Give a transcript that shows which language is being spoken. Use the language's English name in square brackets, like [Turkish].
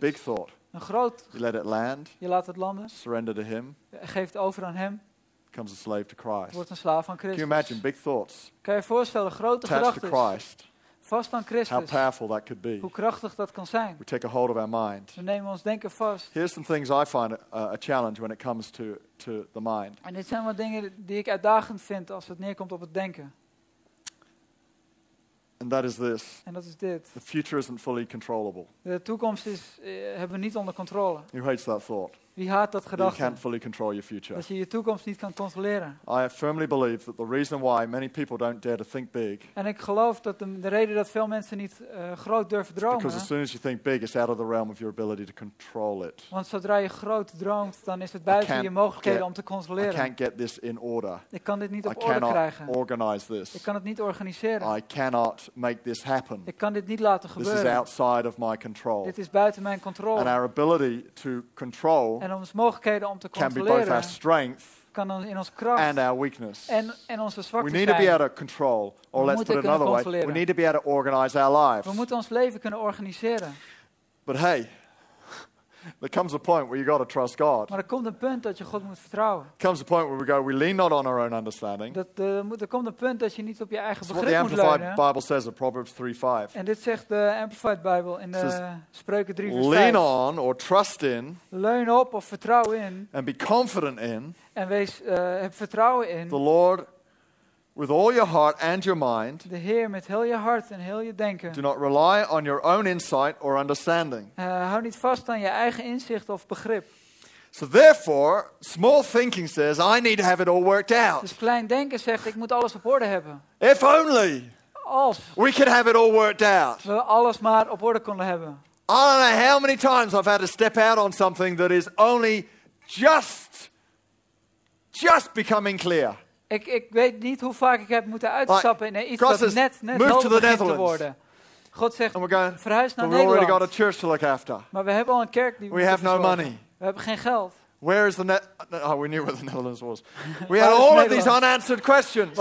[English] Big thought. [Dutch] Een groot. [English] You let it land. [Dutch] Je laat het landen. [English] Surrender to him. [Dutch] Geef het over aan hem. [English] Becomes a slave to Christ. [Dutch] Wordt een slaaf van Christus. [English] Can you imagine big thoughts? [Dutch] Kan je voorstellen grote gedachten? [English] Attached to Christ. [Dutch] Vast aan Christus. [English] How powerful that could be. [Dutch] Hoe krachtig dat kan zijn. [English] We take a hold of our mind. [Dutch] We nemen ons denken vast. [English] Here's some things I find a challenge when it comes to the mind. [Dutch] En dit zijn wat dingen die ik uitdagend vind als het neerkomt op het denken. [English] And that is this. [Dutch] En dat is dit. [English] The future isn't fully controllable. [Dutch] De toekomst is hebben we niet onder controle. [English] Who hates that thought? [Dutch] Wie haat dat gedachte? [English] You can't fully control your future. [Dutch] Dat je je toekomst niet kan controleren. [English] I firmly believe that the reason why many people don't dare to think big. [Dutch] En ik geloof dat de reden dat veel mensen niet groot durven dromen. [English] Because as soon as you think big, it's out of the realm of your ability to control it. [Dutch] Want zodra je groot droomt, dan is het buiten je mogelijkheden om te controleren. [English] I can't get this in order. [Dutch] Ik kan dit niet op [English] I cannot [Dutch] orde krijgen. [English] Organize this. [Dutch] Ik kan het niet organiseren. [English] I cannot make this happen. [Dutch] Ik kan dit niet laten gebeuren. [English] This is outside of my control. [Dutch] Dit is buiten mijn controle. [English] And our ability to control. [Dutch] En onze mogelijkheden om te controleren kan in ons kracht [English] and our weakness. [Dutch] En onze zwakte [English] we need [Dutch] zijn. [English] To be able to control, or we let's put another way, we need to be able to organize our lives. [Dutch] We moeten ons leven kunnen organiseren. [English] But hey, There comes a point where you got to trust God. [Dutch] Maar er komt een punt dat je God moet vertrouwen. [English] Comes a point where we go, we lean not on our own understanding. [Dutch] Er komt een punt dat je niet op je eigen begrip moet leunen. [English] What the Amplified Bible says in Proverbs 3:5. [Dutch] En dit zegt de Amplified Bible in Spreuken 3:5. [English] Lean on or trust in. [Dutch] Leun op of vertrouw in. [English] And be confident in. [Dutch] En wees heb vertrouwen in. [English] The Lord. With all your heart and your mind. [Dutch] De Heer met heel je hart en heel je denken. [English] Do not rely on your own insight or understanding. [Dutch] Hou niet vast aan je eigen inzicht of begrip. [English] So therefore, small thinking says I need to have it all worked out. [Dutch] Dus klein denken zegt ik moet alles op orde hebben. [English] If only. [Dutch] Als. [English] We could have it all worked out. [Dutch] We alles maar op orde konden hebben. [English] I don't know how many times I've had to step out on something that is only just becoming clear. [Dutch] Ik weet niet hoe vaak ik heb moeten uitstappen in iets dat net helder begint te worden. God zegt, verhuis naar Nederland. [English] We already got a church to look after. [Dutch] Maar we hebben al een kerk die [English] we have no money. [Dutch] We hebben geen geld. [English] Where is the net? Oh, we knew where the Netherlands was. We had all of these unanswered questions.